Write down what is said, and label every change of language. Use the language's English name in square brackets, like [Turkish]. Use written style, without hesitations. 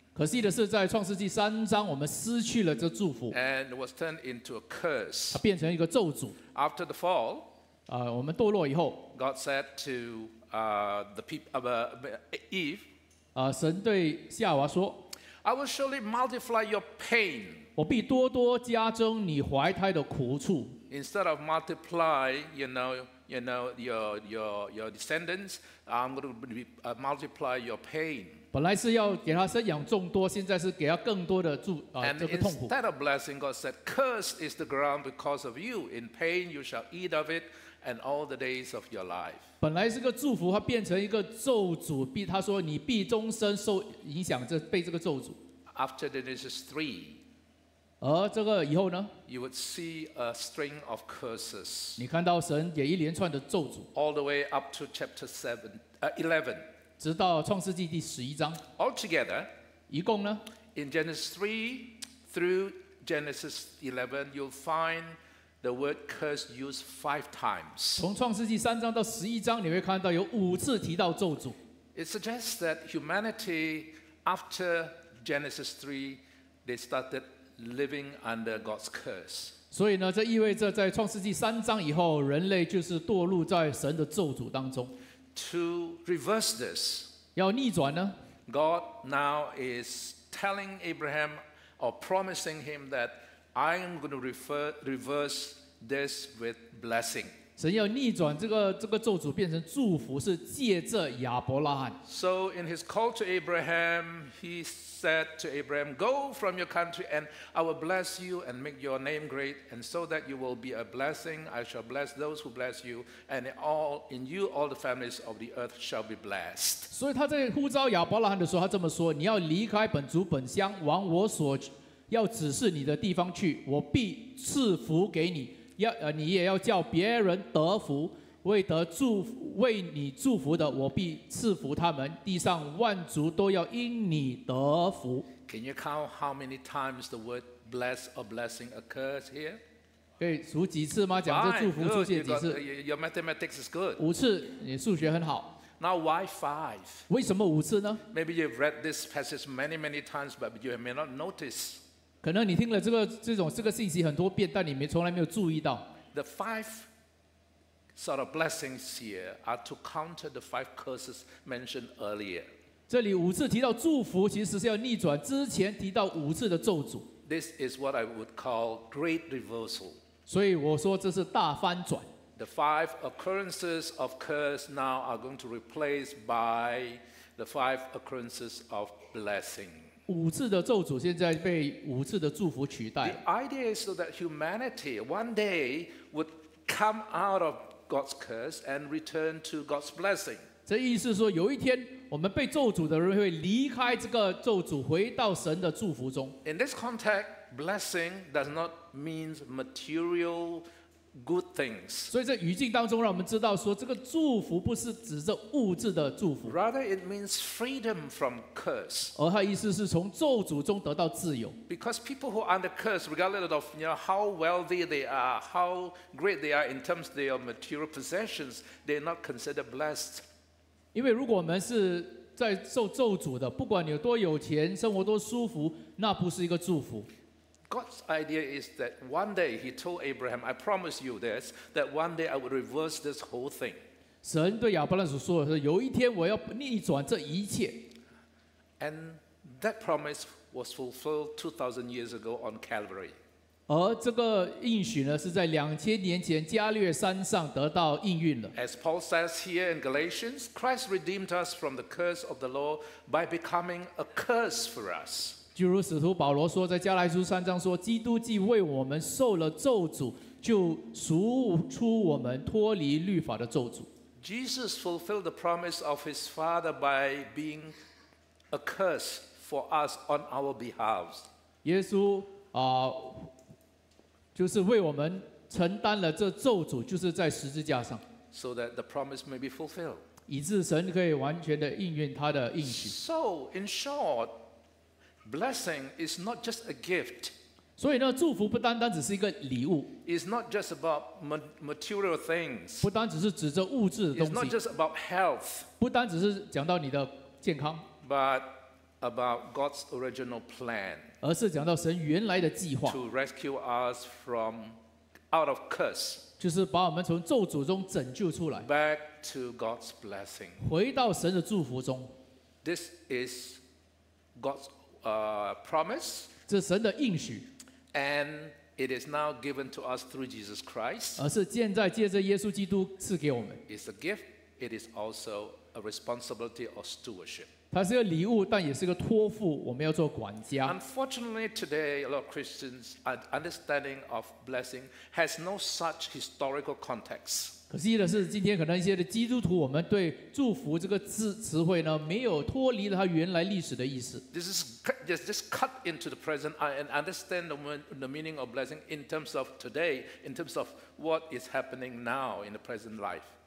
[Chinese] 可惜的是，在创世纪三章，我们失去了这祝福。 [English] And it was turned into a curse. [Chinese] 它变成一个咒诅。 [English] After the fall, [Chinese] 我们堕落以后 [English] ，God said to the people, Eve, [Chinese] 神对夏娃说 [English] I will surely multiply your pain. [Chinese] 我必多多加增你怀胎的苦处。 [English] Instead of multiply, your descendants, I'm going to multiply your pain. [Chinese] 本来是要给他生养众多，现在是给他更多的痛苦。 [English] And instead of blessing, God said, "Cursed is the ground because of you. In pain you shall eat of it, and all the days of your life." [Chinese] 本来是个祝福，他变成一个咒诅。他说你必终身受影响，这被这个咒诅。 [English] After Genesis 3. [Chinese] 而这个以后呢 [English] ？You would see a string of curses. [Chinese] 你看到神给一连串的咒诅。 [English] All the way up to chapter 11. [Chinese] 直到创世纪第十一章。 [English] Altogether, [Chinese] 一共呢 [English] ？In Genesis 3 through Genesis 11, you'll find the word curse used 5 times. [Chinese] 从创世纪三章到十一章，你会看到有五次提到咒诅。 [English] It suggests that humanity after Genesis 3, they started. Living under God's curse. [Chinese] 所以呢，这意味着在创世纪三章以后，人类就是堕入在神的咒诅当中。 [English] To reverse this, [Chinese] 要逆转呢 [English] ？God now is telling Abraham or promising him that I am going to reverse this with blessing. [Chinese] 神要逆转这个咒诅变成祝福，是借着亚伯拉罕。 [English] So in his call to Abraham, he said to Abraham, "Go from your country, and I will bless you and make your name great, and so that you will be a blessing. I shall bless those who bless you, and in you all the families of the earth shall be blessed." [Chinese] 所以他在呼召亚伯拉罕的时候，他这么说：“你要离开本族本乡，往我所要指示你的地方去，我必赐福给你。你也要叫别人得福。” 为你祝福的，我必赐福他们，地上万族都要因你得福。 [English] Can you count how many times the word bless or blessing occurs here? [Chinese] 可以数几次吗？讲这祝福出现几次 [English] ？Your mathematics is good. [Chinese] 五次，你数学很好。 [English] Now why five? [Chinese] 为什么五次呢 [English] ？Maybe you've read this passage many times, but you may not notice. [Chinese] 可能你听了这个信息很多遍，但你从来没有注意到。 [English] The five sort of blessings here are to counter the 5 curses mentioned earlier. [Chinese] 这里五次提到祝福，其实是要逆转之前提到五次的咒诅。 [English] This is what I would call great reversal. [Chinese] 所以我说这是大翻转。 [English] The 5 occurrences of curse now are going to replace by the 5 occurrences of blessing. [Chinese] 五次的咒诅现在被五次的祝福取代。 [English] The idea is so that humanity one day would come out of God's curse and return to God's blessing. [Chinese] 这意思说，有一天我们被咒诅的人会离开这个咒诅，回到神的祝福中。 [English] In this context, blessing does not mean material good things. [Chinese] 所以这语境当中，让我们知道说，这个祝福不是指着物质的祝福。 [English] Rather, it means freedom from curse. [Chinese] 而它意思是从咒诅中得到自由。 [English] Because people who are under curse, regardless of how wealthy they are, how great they are in terms of their material possessions, they are not considered blessed. [Chinese] 因为如果我们是在受咒诅的，不管你有多有钱，生活多舒服，那不是一个祝福。 [English] God's idea is that one day he told Abraham, I promise you this, that one day I would reverse this whole thing. [Chinese] 神对亚伯拉罕说的是，有一天我要逆转这一切。 [English] And that promise was fulfilled 2,000 years ago on Calvary. [Chinese] 而这个应许呢，是在2000年前加略山上得到应允了。 [English] As Paul says here in Galatians, Christ redeemed us from the curse of the law by becoming a curse for us. [Chinese] 就如使徒保罗说，在加拉太书三章说，基督既为我们受了咒诅，就赎出我们脱离律法的咒诅。 [English] Jesus fulfilled the promise of his Father by being a curse for us on our behalf. [Chinese] 耶稣啊，就是为我们承担了这咒诅，就是在十字架上。 [English] So that the promise may be fulfilled. [Chinese] 以致神可以完全的应允他的应许。 [English] So in short. Blessing is not just a gift. [Chinese] 所以呢，祝福不单单只是一个礼物。 [English] It's not just about material things. [Chinese] 不单只是指着物质的东西。 [English] It's not just about health. [Chinese] 不单只是讲到你的健康。 [English] But about God's original plan. [Chinese] 而是讲到神原来的计划。 [English] To rescue us from out of curse. [Chinese] 就是把我们从咒诅中拯救出来。 [English] Back to God's blessing. [Chinese] 回到神的祝福中。 [English] This is God's promise. [Chinese] 这是神的应许, [English] and it is now given to us through Jesus Christ. [Chinese] 而是现在借着耶稣基督赐给我们, [English] it's a gift, it is also a responsibility or stewardship. [Chinese] 它是个礼物, 但也是个托付, 我们要做管家。 [English] Unfortunately, today, a lot of Christians' understanding of blessing has no such historical context. [Chinese] 可惜的是今天可能一些的基督徒我们对祝福这个词汇呢没有脱离了它原来历史的意思。 [English] This is just cut into the present and understand the meaning of blessing in terms of today, in terms of what is happening now in the present life.